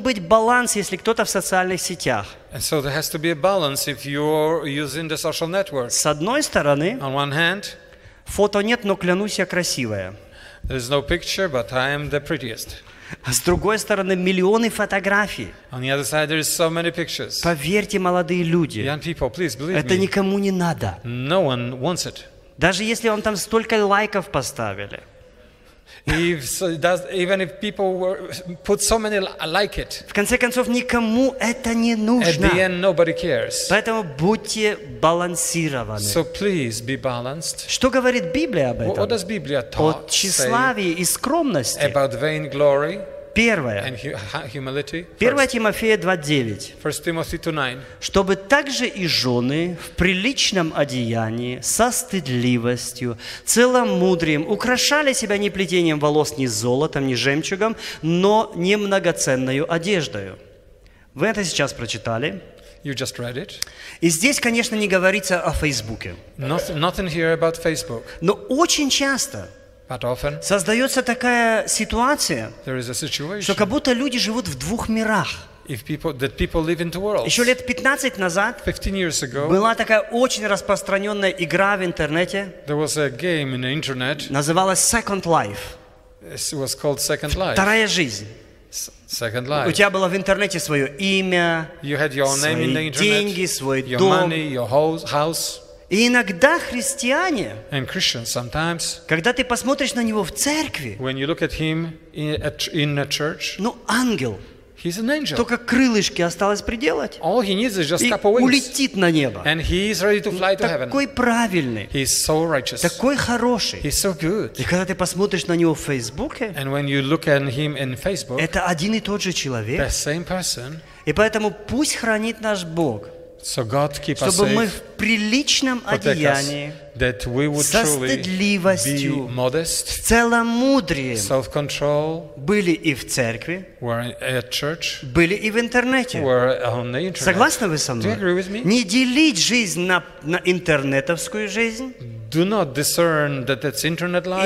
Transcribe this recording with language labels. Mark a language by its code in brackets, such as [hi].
[ru] Быть баланс, если кто-то в социальных сетях. [en] And so there has to be a balance if you're using the social network. [ru] С одной стороны, [en] on one hand, [ru] Фото нет, но клянусь, я красивая. [en] There's no picture, but I am the prettiest. [ru] С другой стороны, миллионы фотографий. [en] On the other side, there is so many pictures. [ru] Поверьте, молодые люди, [en] young people, please believe [ru] это [en] me. [ru] Никому не надо. [en] No one wants it. [ru] Даже если вам там столько лайков поставили. [en] Even if people put so many like it. [ru] В конце концов, никому это не нужно. [en] At the end, nobody cares. [ru] Поэтому будьте балансированы. [en] So please be balanced. [ru] Что говорит Библия об этом? [en] What does Biblia talk about? [ru] О тщеславии и скромности. [en] About vain glory. [ru] Первое. [en] And humility. [ru] 1 Тимофея 2:9. [en] First Timothy 2:9. [ru] Чтобы также и жены в приличном одеянии, со стыдливостью, целомудрием украшали себя не плетением волос, ни золотом, ни жемчугом, но немногоценною одеждою. Вы это сейчас прочитали? [en] You just read it. [ru] И здесь, конечно, не говорится о Фейсбуке. [en] Nothing here about Facebook. [ru] Но очень часто. [en] But often, [ru] создается такая ситуация, [en] there is a situation, [ru] что как будто люди живут в двух мирах. [en] People live in two worlds. [ru] Еще лет 15 назад [en] 15 years ago, [ru] была такая очень распространенная игра в интернете. [en] There was a game in the internet, [ru] называлась Second Life. [en] It was called Second Life. [ru] Вторая жизнь. [en] Second Life. [ru] У тебя было в интернете свое имя, [en] you had your [ru] свои [en] name in the internet, [ru] деньги, свой [en] your [ru] дом. [en] Money, your house. [ru] И иногда христиане, [en] and Christians sometimes, [ru] когда ты посмотришь на него в церкви, [en] when you look at him in a church, [ru] ну, ангел, [en] he's an angel. [ru] Только крылышки осталось приделать, [en] all he needs is just [ru] и [en] couple weeks, [ru] улетит на небо. [en] And he is ready to fly to heaven. [ru] Такой правильный, [en] he's so righteous. [ru] Такой хороший. [en] He's so good. [ru] И когда ты посмотришь на него в Фейсбуке, [en] and when you look at him in Facebook, [ru] это один и тот же человек, [en] the same person, [ru] и поэтому пусть хранит наш Бог, [en] so God keep [ru] чтобы [en] us safe, [ru] мы в приличном одеянии, [en] us, that we would [ru] со стыдливостью, [en] be modest, [ru] с целомудрием, [en] self-control, [ru] были и в церкви, [en] were at church, [ru] были и в интернете. [en] Were on the internet. [ru] Согласны вы со мной? [en] Do you agree with me? [ru] Не делить жизнь на интернетовскую жизнь. [en] Do not discern that it's internet life,